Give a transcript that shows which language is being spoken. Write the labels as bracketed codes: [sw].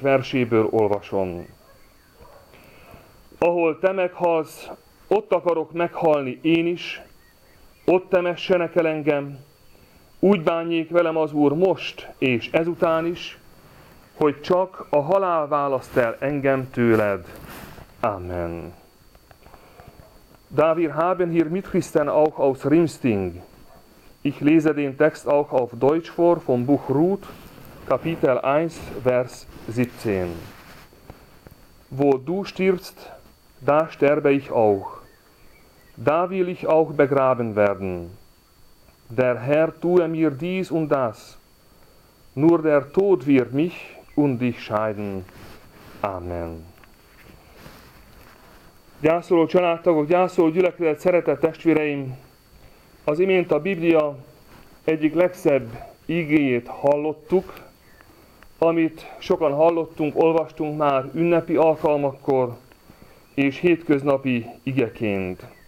[hu] verséből olvasom. Ahol te meghalsz, ott akarok meghalni én is, ott temessenek el engem, úgy bánjék velem az Úr most és ezután is, hogy csak a halál választ el engem tőled. Amen. [de] Da wir haben hier mit Christen auch aus Rimsting. Ich lese den Text auch auf Deutsch vor, vom Buch Ruth, Kapitel 1, Vers 17. Wo du stirbst, da sterbe ich auch. Da will ich auch begraben werden. Der Herr tue mir dies und das. Nur der Tod wird mich und dich scheiden. Amen. [hu] Gyászoló családtagok, gyászoló gyülekezet, szeretett testvéreim, az imént a Biblia egyik legszebb igéjét hallottuk, amit sokan hallottunk, olvastunk már ünnepi alkalmakkor és hétköznapi igeként.